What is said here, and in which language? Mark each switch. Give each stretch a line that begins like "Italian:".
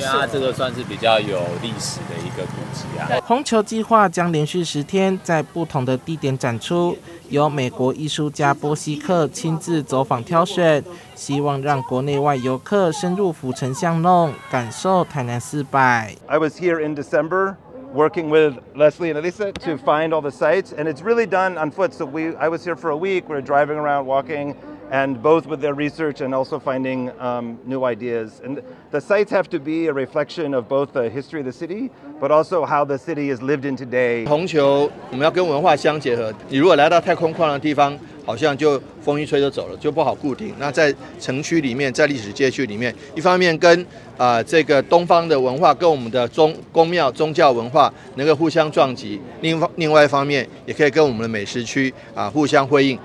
Chinese: 因为它这个算是比较有历史的一个古迹啊。红球计划将连续10天在不同的地点展出，由美国艺术家波西克亲自走访挑选，希望让国内外游客深入府城巷弄，感受台南四百。
English: I was here in December, working with Leslie and Elisa to find all the sites, and it's really done on foot. So I was here for a week. We're driving around, walking. and both with their research and also finding new ideas. And the sites have to be a reflection of both the history of the city, but also how the city is lived in today.
Chinese: 红球，我们要跟文化相结合。你如果来到太空旷的地方，好像就风一吹就走了，就不好固定。那在城区里面，在历史街区里面，一方面跟这个东方的文化跟我们的宫庙宗教文化能够互相撞击，另外一方面也可以跟我们的美食区互相辉映。